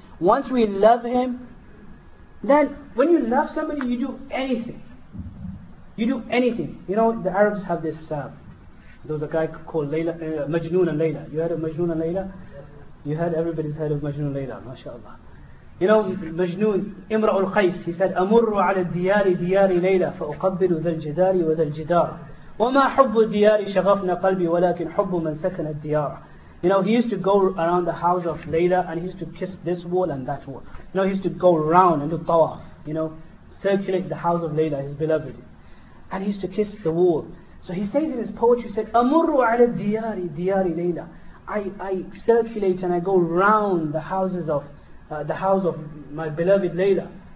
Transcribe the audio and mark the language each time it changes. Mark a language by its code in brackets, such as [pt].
[en] Once we love him, then when you love somebody, you do anything. You do anything. You know, the Arabs have this, there was a guy called Majnun and Layla. You heard of Majnun and Layla? You heard, everybody's heard of Majnun and Layla, mashallah. You know, Majnun, Imra al-Qais, he said, [ar] أَمُرُّ عَلَى الدِّيَارِ دِيَارِ لَيْلَى فَأُقَبِّلُ ذَا الْجِدَارِ وَذَا الْجِدَارِ وَمَا حُبُّ الدِّيَارِ شَغَفْنَ قَلْبِي وَلَكِنْ حُبُّ مَنْ سَكَنَ الدِّيَارَ. [en] You know, he used to go around the house of Layla and he used to kiss this wall and that wall. You know, he used to go around and do tawaf, you know, circulate the house of Layla, his beloved. And he used to kiss the wall. So he says in his poetry, he said, [ar] أَمُرُّ عَلَى الدِّيَارِ دِيَارِ لَيْلَى. [en] I circulate and I go around the houses of the house of my beloved Layla.